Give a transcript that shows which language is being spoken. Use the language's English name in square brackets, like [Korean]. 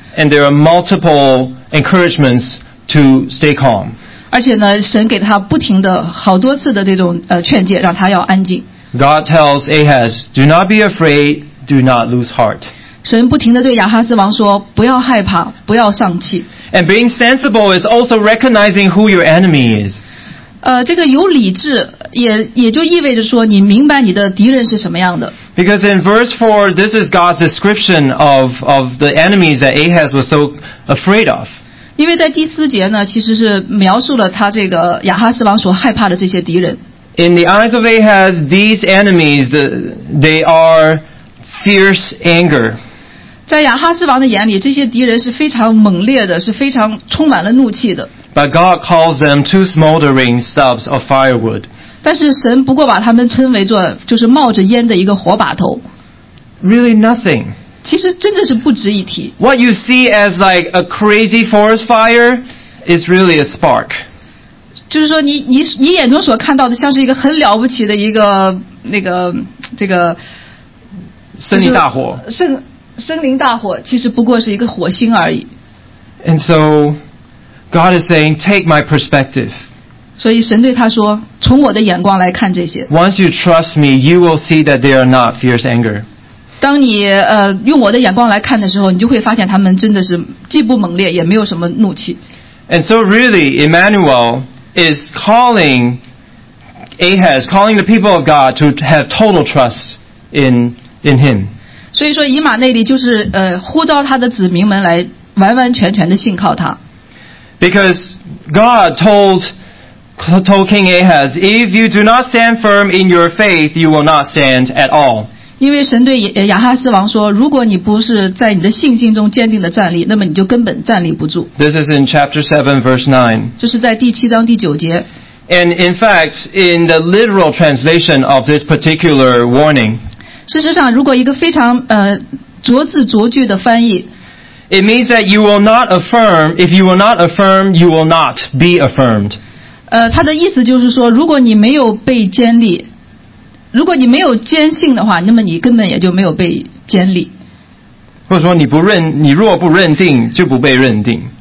[English] And there are multiple encouragements to stay calm. [Chinese] 而且呢，神给他不停的好多次的这种劝诫，让他要安静。 [English] God tells Ahaz, "Do not be afraid, do not lose heart." [Chinese] 神不停的对亚哈斯王说，不要害怕，不要丧气。 [English] And being sensible is also recognizing who your enemy is. [Chinese] 这个有理智也就意味着说，你明白你的敌人是什么样的。 [English] Because in verse 4, this is God's description of the enemies that Ahaz was so afraid of. [Chinese] 因为在第四节呢，其实是描述了他这个亚哈斯王所害怕的这些敌人。 [English] In the eyes of Ahaz, these enemies, they are fierce anger. [Chinese] 在亚哈斯王的眼里，这些敌人是非常猛烈的，是非常充满了怒气的。 [English] But God calls them two smoldering stubs of firewood. [Chinese] 但是神不过把他们称为做就是冒着烟的一个火把头。 [English] Really nothing. [Chinese] 其实真的是不值一提。 [English] What you see as like a crazy forest fire is really a spark. [Chinese] 就是说你眼中所看到的像是一个很了不起的一个那个这个森林大火。森林大火其实不过是一个火星而已。 [English] And so... God is saying, "Take my perspective." [Chinese] 所以神对他说，从我的眼光来看这些。 [English] Once you trust me, you will see that they are not fierce anger. [Chinese] 当你用我的眼光来看的时候，你就会发现他们真的是既不猛烈，也没有什么怒气。 [English] And so, really, Emmanuel is calling Ahaz, calling the people of God to have total trust in him. [Chinese] 所以说，以马内利就是呼召他的子民们来完完全全的信靠他。 [English] Because God told King Ahaz, "If you do not stand firm in your faith, you will not stand at all." [Chinese] 因为神对亚哈斯王说，如果你不是在你的信心中坚定的站立，那么你就根本站立不住。 [English] This is in chapter 7, verse 9. [Chinese] 这是在第七章第九节。 [English] And in fact, in the literal translation of this particular warning, [Chinese] 事实上，如果一个非常着字着句的翻译。 [English] It means that you will not affirm, if you will not affirm, you will not be affirmed. [Chinese] 他的意思就是说，如果你没有被坚立，如果你没有坚信的话，那么你根本也就没有被坚立。或者说你若不认定，就不被认定。